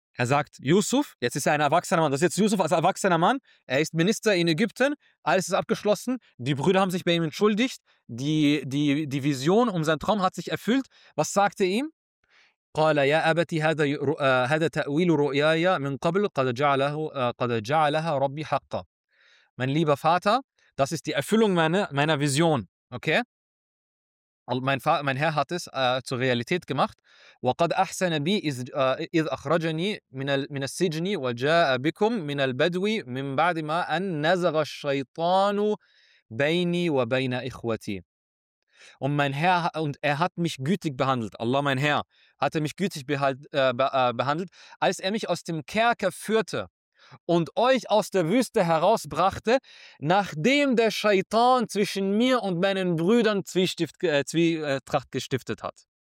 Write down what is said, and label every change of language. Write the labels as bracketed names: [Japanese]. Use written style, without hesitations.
[German] Er sagt, Yusuf, jetzt ist er ein erwachsener Mann. Das ist jetzt Yusuf als erwachsener Mann. Er ist Minister in Ägypten. Alles ist abgeschlossen. Die Brüder haben sich bei ihm entschuldigt. Die Vision um seinen Traum hat sich erfüllt. Was sagte ihm? [Arabic] قال يا أبتي هذا تأويل رؤياي من قبل قد جعلها ربي حقا. [German] Mein lieber Vater, das ist die Erfüllung meiner Vision. Okay? Mein Herr hat es zur Realität gemacht. [Arabic] وقد أحسن بي إذ أخرجني من السجن وجاء بكم من البدو من بعد ما أن نزغ الشيطان بيني وبين إخوتي. [German] Und mein Herr, und er hat mich gütig behandelt, Allah, mein Herr, hat er mich gütig behandelt, als er mich aus dem Kerker führte und euch aus der Wüste herausbrachte, nachdem der Scheitan zwischen mir und meinen Brüdern Zwietracht gestiftet hat.